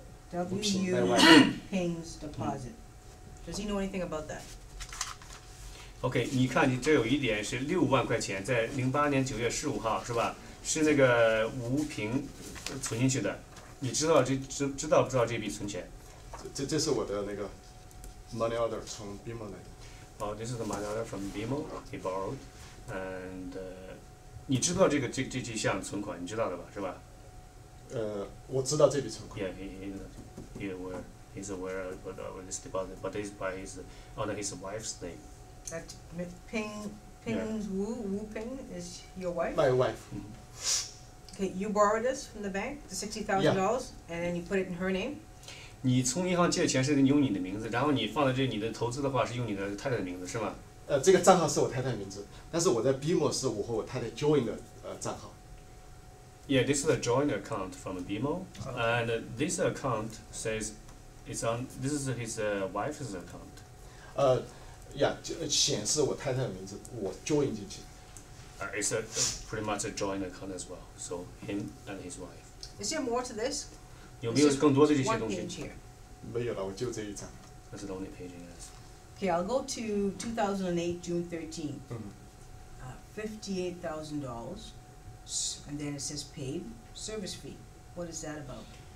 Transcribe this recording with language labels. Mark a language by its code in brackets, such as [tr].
[en] W.U.Ping's deposit. Does he know anything about that? [zh] Okay, 你看你这有一点是六万块钱在2008年9月15号是吧？是那个吴平存进去的，你知道这知道不知道这笔存钱？这是我的那个 money order 从 BMO 来的。 [en] Oh, this is the money order from BMO. He borrowed, and [zh] 你知道这项存款，你知道的吧？是吧？我知道这笔存款。 [en] Yeah, he's aware of this deposit, but it's by his under his wife's name. That Ping's Wu Ping is your wife. My wife. Okay, you borrowed this from the bank, the $60,000, and then you put it in her name. [zh] 你从银行借钱是用你的名字，然后你放在这你的投资的话是用你的太太的名字是吗？这个账号是我太太的名字，但是我在 BMO 是我和我太太 join 的账号。 [en] Yeah, this is a joint account from BMO, and this account says it's on. This is his wife's account. [zh] Yeah, 显示我太太的名字，我 join 进去。 [en] It's a pretty much a joint account as well. So him and his wife. Is there more to this? [zh] 有没有更多的这些东西？没有了，我就这一张。 [en] That's the only page in this. Okay, I'll go to 2008 June 13. $58,000. And then it says paid service fee. What is that about?